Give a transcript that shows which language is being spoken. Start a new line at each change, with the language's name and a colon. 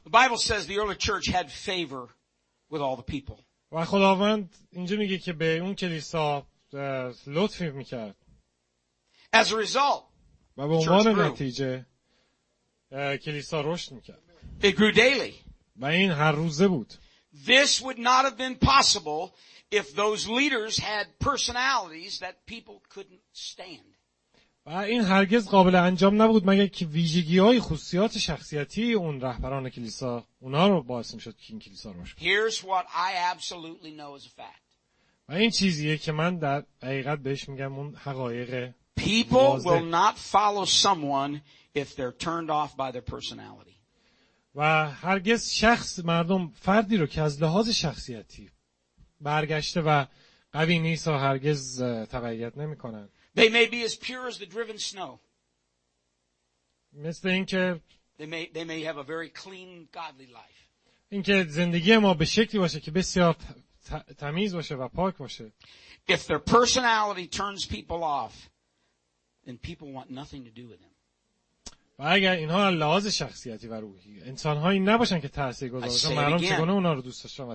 English: The Bible says the early church had favor with all the people.
Persian: و خداوند اینجا میگه که به اون کلیسا لطف می‌کرد.
English: As a result,
Persian: و به عنوان نتیجه کلیسا رشد می‌کرد.
English: It grew daily.
Persian: و این هر روزه بود.
English: This would not have been possible if those leaders had personalities that people couldn't stand.
Persian: و این هرگز قابل انجام نبود مگر که ویژگی‌های خصوصیات شخصیتی اون رهبران کلیسا اونها رو باعث می‌شد که این کلیسا رشد کنه.
English: Here's what I absolutely know as a fact.
Persian: و این چیزیه که من در حقیقت بهش میگم اون حقایق واضح.
English: People will not follow someone if they're turned off by their personality.
Persian: و هرگز شخص مردم فردی رو که از لحاظ شخصیتی برگشته و قوی نیست و هرگز تبعیت نمی کنن.
English: They may be as pure as the driven snow.
Persian: مثل این که
English: They may have a very clean godly life.
Persian: این که زندگی ما به شکلی باشه که بسیار تمیز باشه و پاک باشه.
English: If their personality turns people off, then people want nothing to do with them.
Persian: و اگر اینها لحاظ شخصیتی و روحی انسان‌هایی نباشن که تأثیر گذارشن مردم چگونه اونا رو دوست داشتن و